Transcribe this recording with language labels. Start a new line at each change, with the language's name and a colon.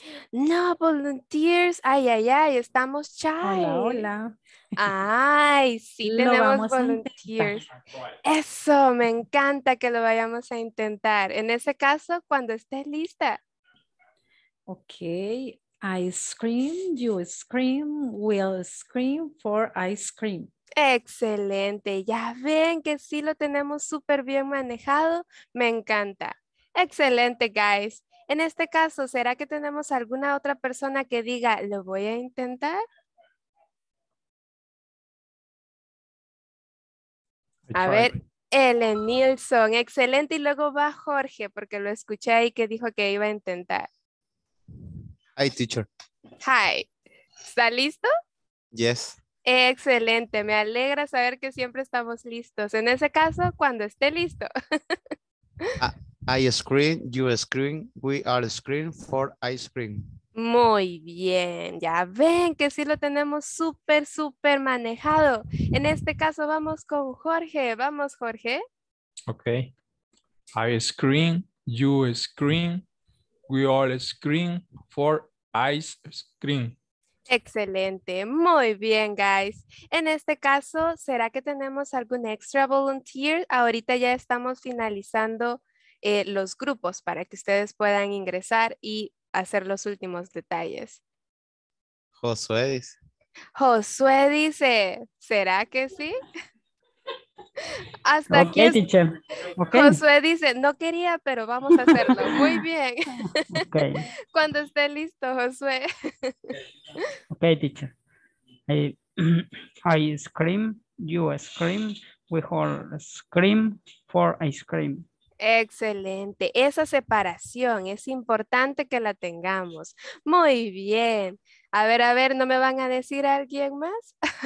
Spanish: No, volunteers, ay, ay, ay, estamos shy. Hola, hola. Ay, sí, tenemos volunteers. Eso, me encanta que lo vayamos a intentar. En ese caso, cuando estés lista.
English: Ok, I scream, you scream, we'll scream for ice cream.
Spanish: Excelente, ya ven que sí lo tenemos súper bien manejado. Me encanta. Excelente, guys. En este caso, ¿será que tenemos alguna otra persona que diga, lo voy a intentar? A ver, Ellen Nilsson, excelente. Y luego va Jorge, porque lo escuché ahí que dijo que iba a intentar.
English: Hi, teacher. Hi.
Spanish: ¿Está listo?
English: Yes.
Spanish: Excelente, me alegra saber que siempre estamos listos. En ese caso, cuando esté listo.
English: I scream, you scream, we are screaming for ice cream.
Spanish: Muy bien, ya ven que sí lo tenemos súper, súper manejado. En este caso vamos con Jorge. Vamos, Jorge. Ok.
English: I scream, you scream, we all scream for ice cream.
Spanish: Excelente, muy bien, guys. En este caso, ¿será que tenemos algún
English: extra volunteer?
Spanish: Ahorita ya estamos finalizando los grupos para que ustedes puedan ingresar y hacer los últimos detalles. Josué dice. Josué dice, ¿será que sí? Hasta okay, aquí. Es... Okay. Josué dice, no quería, pero vamos a hacerlo. Muy bien. Okay. Cuando esté listo, Josué.
English: Ok, teacher. I scream, you scream, we all scream for ice cream.
Spanish: Excelente, esa separación es importante que la tengamos. Muy bien. A ver, ¿no me van a decir a alguien más?